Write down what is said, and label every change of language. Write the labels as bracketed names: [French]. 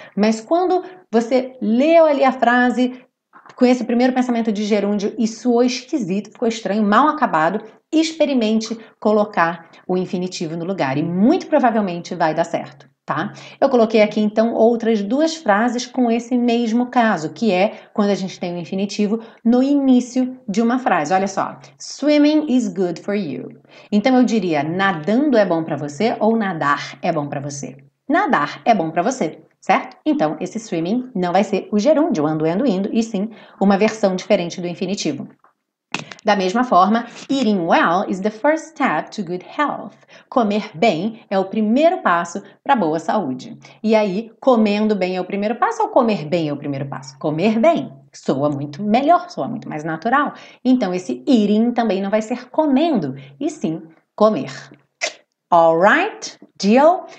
[Portuguese] Mas quando você leu ali a frase com esse primeiro pensamento de gerúndio e soou esquisito, ficou estranho, mal acabado, experimente colocar o infinitivo no lugar e muito provavelmente vai dar certo, tá? Eu coloquei aqui então outras duas frases com esse mesmo caso, que é quando a gente tem o infinitivo no início de uma frase. [English] Olha só, swimming is good for you. [Portuguese] Então eu diria, nadando é bom para você ou nadar é bom para você? Nadar é bom para você, certo? Então esse swimming não vai ser o gerúndio, ando, indo, e sim uma versão diferente do infinitivo. [English] Da mesma forma, eating well is the first step to good health. [Portuguese] Comer bem é o primeiro passo para boa saúde. E aí, comendo bem é o primeiro passo ou comer bem é o primeiro passo? Comer bem soa muito melhor, soa muito mais natural. Então, esse eating também não vai ser comendo, e sim comer. All right? Deal?